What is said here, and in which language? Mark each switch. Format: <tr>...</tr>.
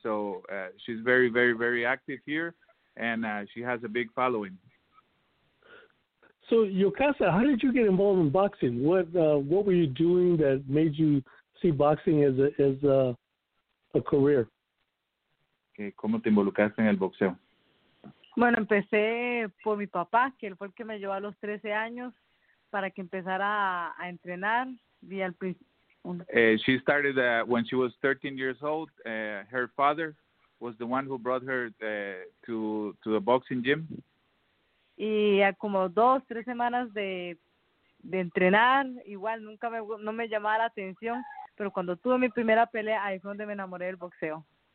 <en>So she's very, very, very active here, and she has a big following. So Yocasta, how did you get involved in boxing? What were you doing that made you see boxing as a career?</en> <es>¿Cómo te involucraste en el boxeo? Bueno, empecé por mi papá, que él fue el que me llevó a los 13 años para que empezara a entrenar.</es> <en>She started when she was 13 years old. Her father was the one who brought her to the boxing gym.</en> <es>Y a como dos, tres semanas de entrenar, igual nunca no me llamaba la atención, pero cuando tuve mi primera pelea, ahí fue donde me enamoré del boxeo.</es>